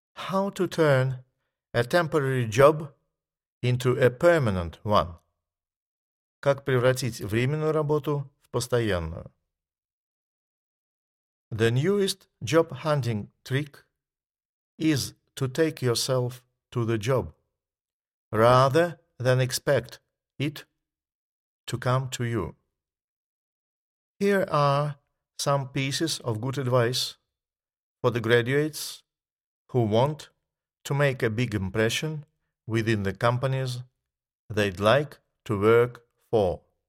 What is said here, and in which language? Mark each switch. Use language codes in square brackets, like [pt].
[en] How to turn a temporary job into a permanent one. [ru] Как превратить временную работу в постоянную. [en] The newest job hunting trick is to take yourself to the job rather than expect it to come to you. Here are some pieces of good advice for the graduates who want to make a big impression within the companies they'd like to work for.